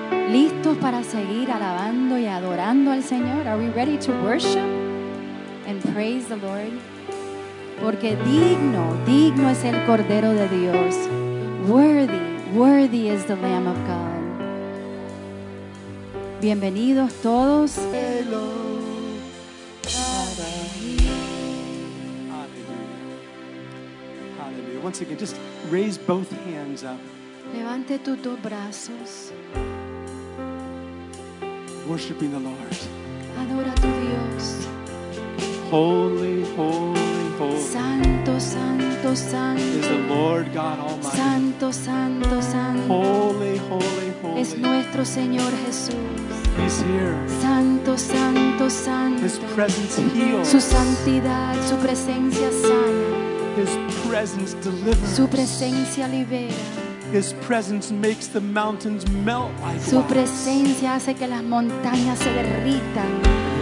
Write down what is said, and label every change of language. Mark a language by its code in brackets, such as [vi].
[es] ¿Listos para seguir alabando y adorando al Señor? [en] Are we ready to worship and praise the Lord? [es] Porque digno, digno es el Cordero de Dios. [en] Worthy, worthy is the Lamb of God. [es] Bienvenidos todos. [en] Hello. Hallelujah. Hallelujah. Once again, just raise both hands up. [es] Levante tus dos brazos. [en] Worshiping the Lord. [es] Adora a tu Dios. [en] Holy, holy. [es] Santo, santo, santo. [en] Is the Lord God Almighty. [es] Santo, santo, santo. [en] Holy, holy, holy. [es] Es nuestro Señor Jesús. [en] He's here. [es] Santo, santo, santo. [en] His presence heals. [es] Su santidad, su presencia sana. [en] His presence delivers. [es] Su presencia libera. [en] His presence makes the mountains melt like ice. [es] Su presencia hace que las montañas se derritan.